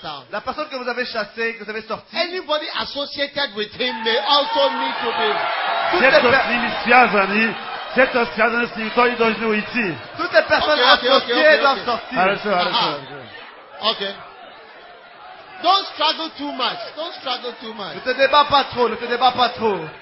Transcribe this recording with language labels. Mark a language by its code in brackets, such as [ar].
[fr] La personne que vous avez chassée, que vous avez sortie. [en] Anybody associated with him may also need to be. [fr] Toutes les personnes associées doivent sortir. [en] Don't struggle too much. Don't struggle too much. [fr] Ne te débats pas trop.